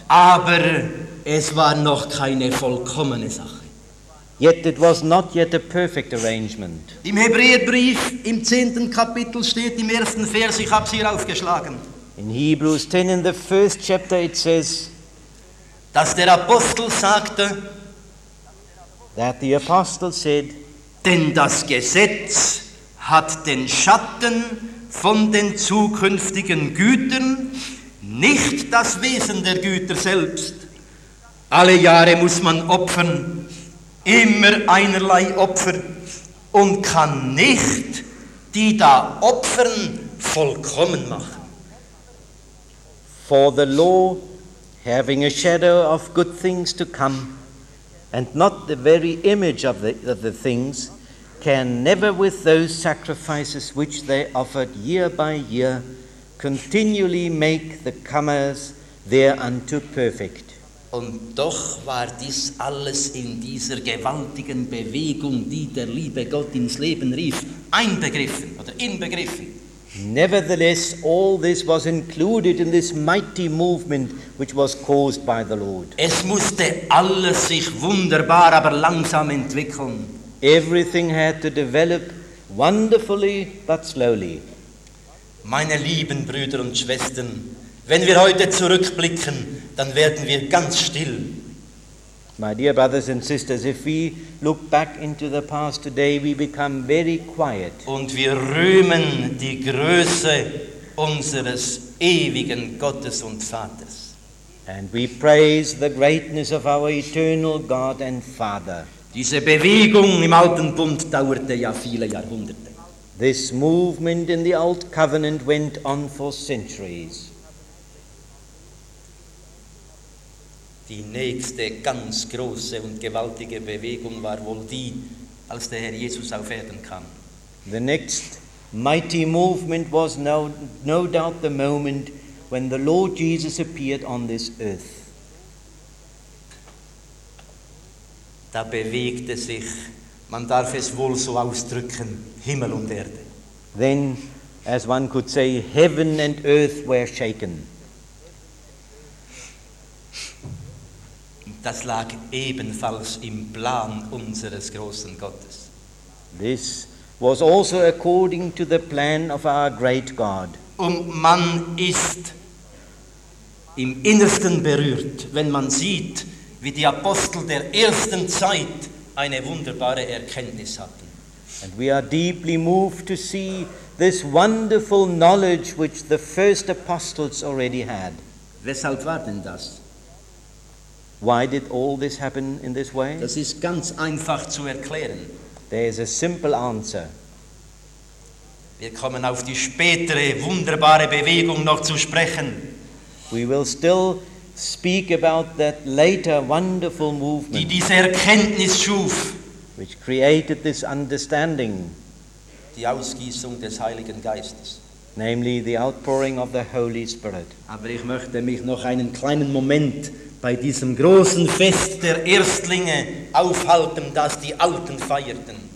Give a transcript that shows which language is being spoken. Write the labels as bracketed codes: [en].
[de] Aber es war noch keine vollkommene Sache. [en] Yet it was not yet a perfect arrangement. [de] Im Hebräerbrief im 10. Kapitel steht im ersten Vers, ich habe es hier aufgeschlagen. [en] In Hebrews 10, in the first chapter, it says, [de] dass der Apostel sagte, [en] that the apostle said, [de] denn das Gesetz hat den Schatten von den zukünftigen Gütern, nicht das Wesen der Güter selbst. Alle Jahre muss man opfern, immer einerlei Opfer und kann nicht die da opfern vollkommen machen. [en] For the law, having a shadow of good things to come and not the very image of the things, can never with those sacrifices which they offered year by year continually make the comers thereunto perfect. [de] Und doch war dies alles in dieser gewaltigen Bewegung, die der liebe Gott ins Leben rief, einbegriffen oder inbegriffen. [en] Nevertheless, all this was included in this mighty movement which was caused by the Lord. [de] Es musste alles sich wunderbar, aber langsam entwickeln. [en] Everything had to develop wonderfully but slowly. [de] Meine lieben Brüder und Schwestern, wenn wir heute zurückblicken, dann werden wir ganz still. [en] My dear brothers and sisters, if we look back into the past today, we become very quiet. [de] Und wir rühmen die Größe unseres ewigen Gottes und Vaters. [en] And we praise the greatness of our eternal God and Father. [de] Diese Bewegung im Alten Bund dauerte ja viele Jahrhunderte. [en] This movement in the Old Covenant went on for centuries. [de] Die nächste ganz große und gewaltige Bewegung war wohl die, als der Herr Jesus auf Erden kam. [en] The next mighty movement was no doubt the moment when the Lord Jesus appeared on this earth. [de] Da bewegte sich, man darf es wohl so ausdrücken, Himmel und Erde. [en] Then, as one could say, heaven and earth were shaken. [de] Das lag ebenfalls im Plan unseres großen Gottes. [en] This was also according to the plan of our great God. [de] Und man ist im Innersten berührt, wenn man sieht, wie die Apostel der ersten Zeit eine wunderbare Erkenntnis hatten. [en] And we are deeply moved to see this wonderful knowledge which the first apostles already had. [de] Weshalb war denn das? [en] Why did all this happen in this way? [de] Das ist ganz einfach zu erklären. [en] There is a simple answer. [de] Wir kommen auf die spätere wunderbare Bewegung noch zu sprechen. [en] We will still speak about that later wonderful movement. [de] Die diese Erkenntnis schuf. [en] Which created this understanding. [de] Die Ausgießung des Heiligen Geistes. [en] Namely the outpouring of the Holy Spirit. [de] Aber ich möchte mich noch einen kleinen Moment bei diesem großen Fest der Erstlinge aufhalten, das die Alten feierten.